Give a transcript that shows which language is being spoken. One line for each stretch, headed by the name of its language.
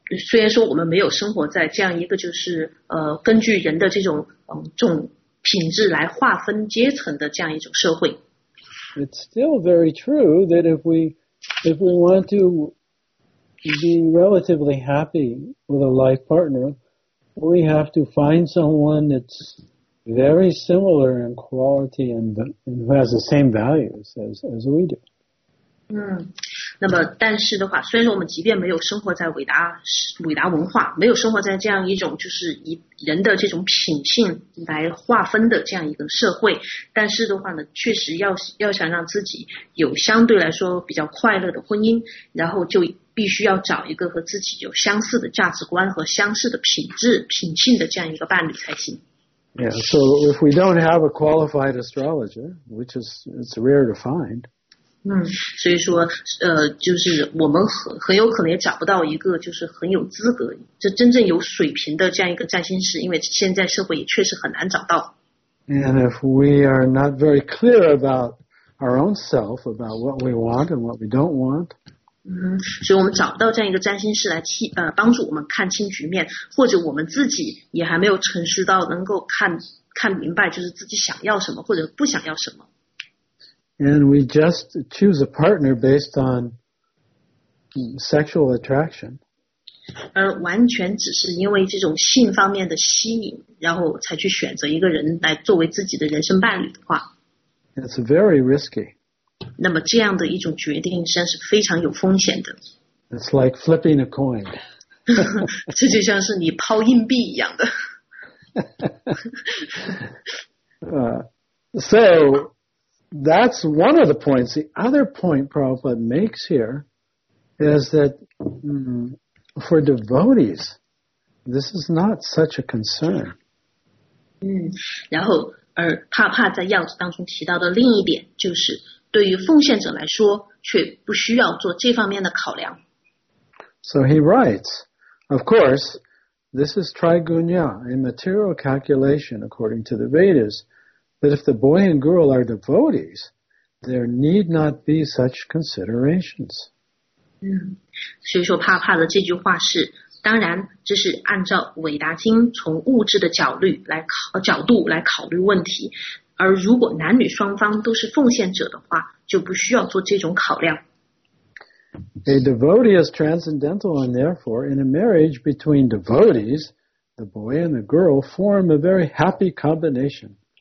Chinese: 虽然说我们没有生活在这样一个就是根据人的这种种品质来划分阶层的这样一种社会。
English: It's still very true that if we want to be relatively happy with a life partner, we have to find someone that's very similar in quality and who has the same values as we do.
Chinese: 那么但是的话，虽然说我们即便没有生活在伟大文化，没有生活在这样一种就是以人的这种品性来划分的这样一个社会，但是的话呢，确实要想让自己有相对来说比较快乐的婚姻，然后就必须要找一个和自己有相似的价值观和相似的品质品性的这样一个伴侣才行。
English: Yeah, so if we don't have a qualified astrologer, which is it's rare to find,
Chinese: 所以说就是我们很有可能也找不到一个就是很有资格就真正有水平的这样一个占星师，因为现在社会也确实很难找到。
English: And if we are not very clear about our own self, about what we want and what we don't want,
Chinese: 所以我们找不到这样一个占星师来帮助我们看清局面，或者我们自己也还没有成熟到能够看明白就是自己想要什么或者不想要什么。
English: And we just choose a partner based on sexual attraction.
Chinese: 完全只是因为这种性方面的吸引，然后才去选择一个人来作为自己的人生伴侣的话。
English: It's very risky.
Chinese: 那么这样的一种决定实际上是非常有风险的。
English: It's like flipping a coin.
Chinese: 这就像是你抛硬币一样的。
English: So, that's one of the points. The other point Prabhupada makes here is that for devotees, this is not such a concern.
Chinese: 然后而帕帕在要旨当中提到的另一点就是对于奉献者来说却不需要做这方面的考量。
English: So he writes, of course, this is trigunya, a material calculation according to the Vedas, that if the boy and girl are devotees, there need not be such considerations.
Chinese: 所以说帕帕的这句话是当然这是按照韦达经从物质的角度来考虑问题而如果男女双方都是奉献者的话就不需要做这种考量。
English: A devotee is transcendental and therefore in a marriage between devotees, the boy and the girl form a very happy combination.